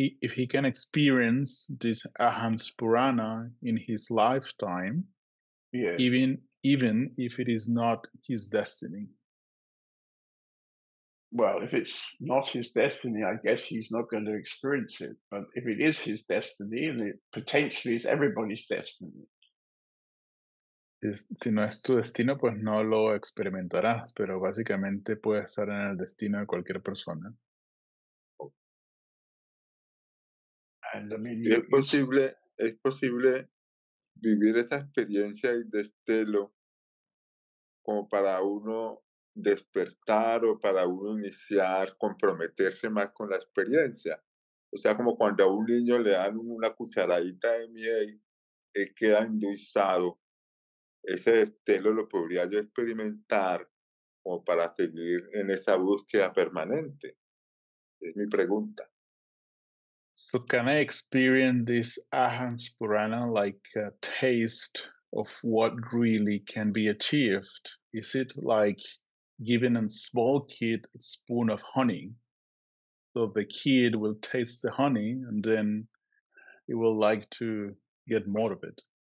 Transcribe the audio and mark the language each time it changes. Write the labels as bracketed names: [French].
[English] If he can experience this Aham Spurana in his lifetime, yes. even if it is not his destiny. Well, if it's not his destiny, I guess he's not going to experience it. But if it is his destiny, and it potentially is everybody's destiny. [Spanish] Si no es tu destino, pues no lo experimentarás, pero básicamente puede estar en el destino de cualquier persona. ¿Es posible vivir esa experiencia y destelo como para uno despertar o para uno iniciar, comprometerse más con la experiencia? O sea, como cuando a un niño le dan una cucharadita de miel, él queda endulzado. Ese destelo lo podría yo experimentar como para seguir en esa búsqueda permanente. Es mi pregunta. [English] So can I experience this Aham Spurana like a taste of what really can be achieved? Is it like giving a small kid a spoon of honey? So the kid will taste the honey and then he will like to get more of it.